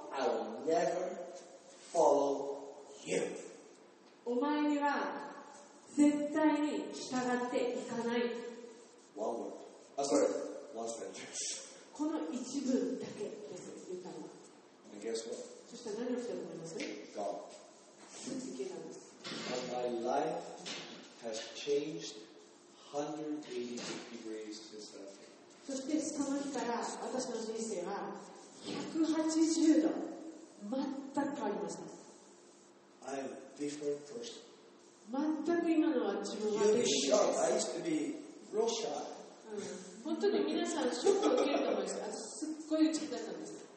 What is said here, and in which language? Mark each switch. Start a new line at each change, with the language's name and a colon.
English: I will never follow you.
Japanese: お前には絶対に従っていかない。
English: One word. I'm sorry. One sentence.
Japanese: この一文だけです。言ったのは。
English: And guess what?
Japanese: そしたら何を起きたと思います
English: ？God.
Japanese: すぐ消えたんです。
English: And my life has changed 180 degrees since that day.
Japanese: そしてその日から私の人生は180度全く変わりました。
English: I'm a different person.
Japanese: 全く今のは自分は
English: You'd be shocked. I used to be real shy.
Japanese: 本当に皆さんショックを受けると思いますか。すっごい打ち気だったんです。